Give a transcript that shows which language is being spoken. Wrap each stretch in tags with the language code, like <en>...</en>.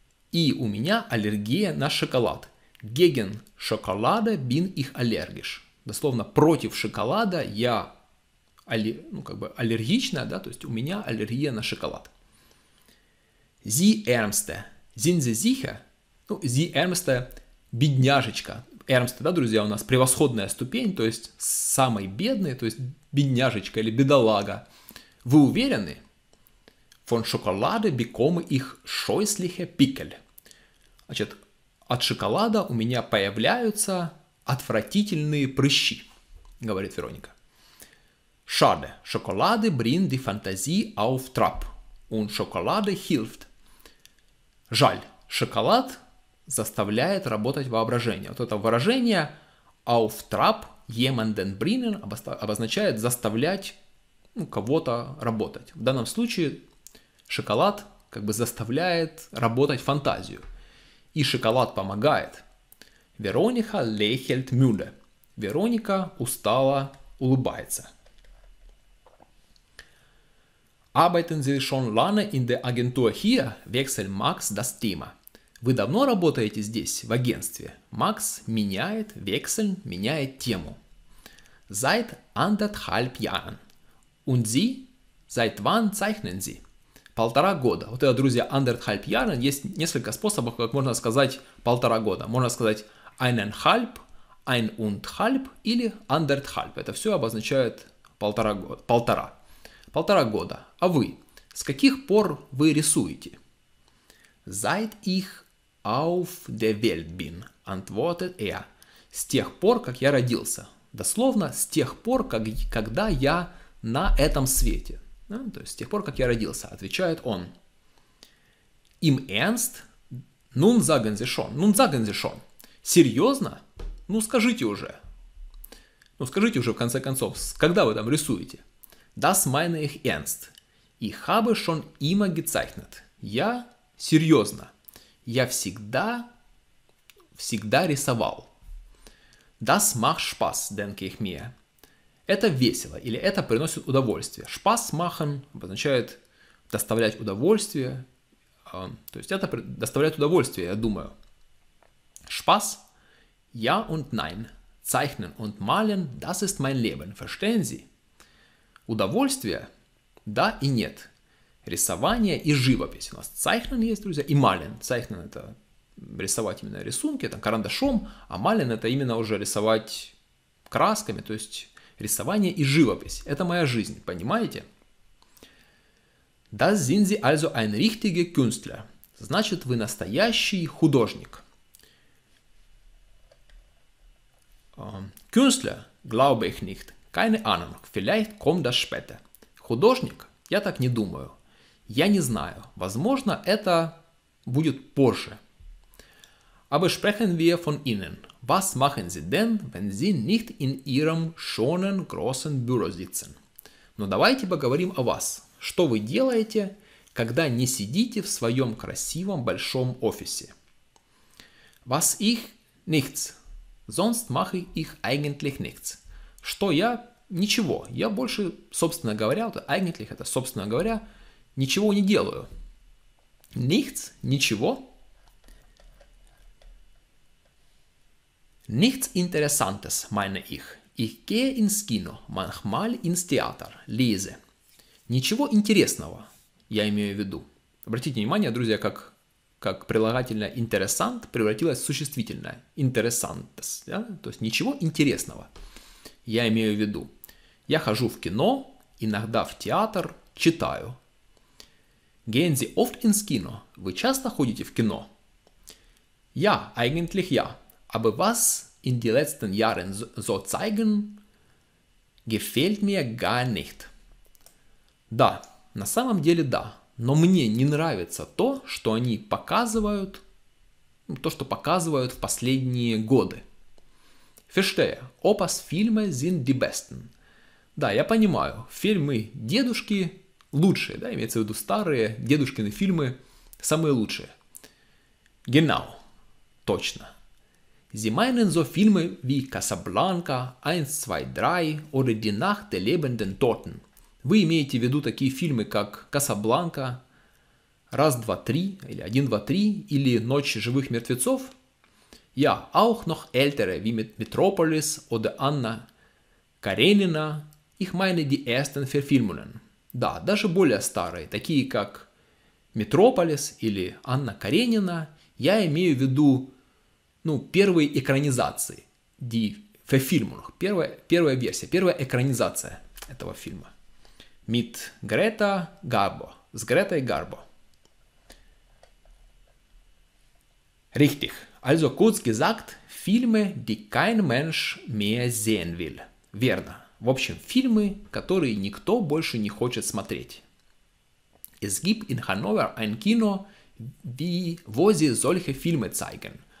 <ru>И у меня аллергия на шоколад.</ru> <de>Gegen Schokolade bin ich allergisch.</de> <ru>Дословно, против шоколада я аллергичная, да, то есть у меня аллергия на шоколад.</ru> <de>Sie ärmste. Sind Sie sicher?</de> <ru>Ну,</ru> <de>sie ärmste,</de> <ru>бедняжечка. Ärmste, да, друзья, у нас превосходная ступень, то есть самый бедный, то есть бедняжечка или бедолага. Вы уверены?</ru> <de>Von Schokolade bekomme ich scheußliche Pickel.</de> <ru>Значит, от шоколада у меня появляются отвратительные прыщи, говорит Вероника.</ru> <de>Schade, Schokolade bringt die Fantasie auf Trab. Und Schokolade hilft.</de> <ru>Жаль, шоколад заставляет работать воображение. Вот это выражение</ru> <de>auf Trab jemanden bringen</de> <ru>обозначает заставлять, ну, кого-то работать. В данном случае шоколад как бы заставляет работать фантазию. И шоколад помогает.</ru> <de>Вероника lächelt müde.</de> <ru>Вероника устала улыбается.</ru> <de>Arbeiten Sie schon lange in der Agentur hier? Wechselt Max das Thema.</de> <ru>Вы давно работаете здесь, в агентстве? Max меняет,</ru> <de>wechseln,</de> <ru>меняет тему.</ru> <de>Seit anderthalb Jahren. Und Sie? Seit wann zeichnen Sie?</de> <ru>Полтора года. Вот это, друзья, anderthalb Jahren. Есть несколько способов, как можно сказать полтора года. Можно сказать eineinhalb, ein und halb или anderthalb. Это все обозначает полтора года. Полтора. Полтора года. А вы? С каких пор вы рисуете?</ru> <de>Seit ich auf der Welt bin, antwortet er.</de> <ru>С тех пор, как я родился. Дословно, с тех пор, когда я на этом свете. Ja, то есть, с тех пор, как я родился, отвечает он.</ru> <de>Im Ernst? Nun sagen Sie schon. Nun sagen Sie schon.</de> <ru>Серьезно? Ну, скажите уже. Ну, скажите уже, в конце концов, когда вы там рисуете?</ru> <de>Das meine ich ernst. Ich habe schon immer gezeichnet.</de> <ru>Я серьезно. Я всегда, всегда рисовал.</ru> <de>Das macht Spaß, denke ich mir.</de> <ru>Это весело или это приносит удовольствие.</ru> <de>Spaß machen</de> <ru>обозначает доставлять удовольствие. То есть это доставляет удовольствие, я думаю.</ru> <de>Spaß? Ja und nein. Zeichnen und malen, das ist mein Leben. Verstehen Sie?</de> <ru>Удовольствие? Да и нет. Рисование и живопись. У нас zeichnen есть, друзья, и malen. Zeichnen – это рисовать именно рисунки, там, карандашом, а malen – это именно уже рисовать красками, то есть рисование и живопись. Это моя жизнь, понимаете?</ru> <de>Das sind Sie also ein richtiger Künstler.</de> <ru>Значит, вы настоящий художник.</ru> <de>Künstler, glaube ich nicht. Keine Ahnung, vielleicht kommt das später.</de> <ru>Художник? Я так не думаю. Я не знаю. Возможно, это будет позже.</ru> <de>Aber sprechen wir von Ihnen. Was machen Sie denn, wenn Sie nicht in Ihrem schönen, großen Büro sitzen?</de> <ru>Но давайте поговорим о вас. Что вы делаете, когда не сидите в своем красивом большом офисе?</ru> <de>Was ich? Nichts. Sonst mache ich eigentlich nichts.</de> <ru>Что я? Ничего. Я больше, собственно говоря, вот eigentlich, это, собственно говоря, ничего не делаю.</ru> <de>Nichts?</de> <ru>Ничего?</ru> <de>Nichts Interessantes, meine ich. Ich gehe ins Kino, manchmal ins Theater, lese.</de> <ru>Ничего интересного, я имею в виду. Обратите внимание, друзья, как прилагательное interessant превратилось в существительное. Interessantes, да? То есть ничего интересного. Я имею в виду, я хожу в кино, иногда в театр, читаю.</ru> <de>Gehen Sie oft ins Kino?</de> <ru>Вы часто ходите в кино?</ru> <de>Ja, eigentlich ja. Aber was in den letzten Jahren so zeigen, gefällt mir gar nicht.</de> <ru>Да, на самом деле да. Но мне не нравится то, что они показывают, то, что показывают в последние годы.</ru> <de>Verstehe, Opas Filme sind die besten.</de> <ru>Да, я понимаю, фильмы дедушки лучшие, да, имеется в виду старые дедушкины фильмы самые лучшие.</ru> <de>Genau,</de> <ru>точно.</ru> <de>Sie meinen so Filme wie Casablanca, 1, 2, 3 oder Die Nacht der lebenden Toten.</de> <ru>Вы имеете в виду такие фильмы, как Casablanca, 1, 2, 3 или 1, 2, 3 или Ночь живых мертвецов?</ru> <de>Ja, auch noch ältere, wie Metropolis oder Anna Karenina. Ich meine die ersten Verfilmungen.</de> <ru>Да, даже более старые, такие как Metropolis или Анна Каренина. Я имею в виду, ну, первые экранизации.</ru> <de>Die Verfilmung.</de> <ru>Первая версия, первая экранизация этого фильма.</ru> <de>Mit Greta Garbo.</de> <ru>С Гретой Гарбо.</ru> <de>Richtig. Also kurz gesagt, Filme, die kein Mensch mehr sehen will.</de> <ru>Верно. В общем, фильмы, которые никто больше не хочет смотреть.</ru> <de>Es gibt in Hannover ein Kino, wo sie solche Filme zeigen.</de>